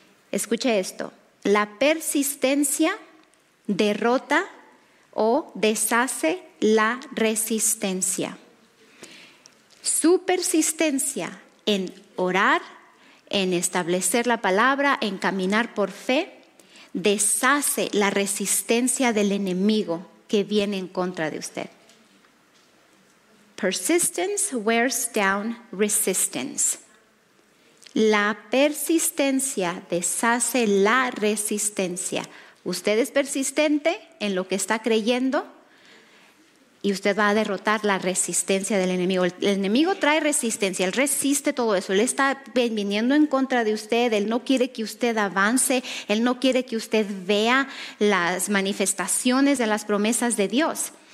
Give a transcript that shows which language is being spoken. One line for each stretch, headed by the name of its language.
Spanish: Escuche esto, la persistencia derrota o deshace la resistencia. Su persistencia en orar, en establecer la palabra, en caminar por fe, deshace la resistencia del enemigo que viene en contra de usted.
English: Persistence wears down resistance.
Spanish: La persistencia deshace la resistencia. Usted es persistente en lo que está creyendo y usted va a derrotar la resistencia del enemigo. El enemigo trae resistencia, él resiste todo eso. Él está viniendo en contra de usted, él no quiere que usted avance, él no quiere que usted vea las manifestaciones de las promesas de Dios.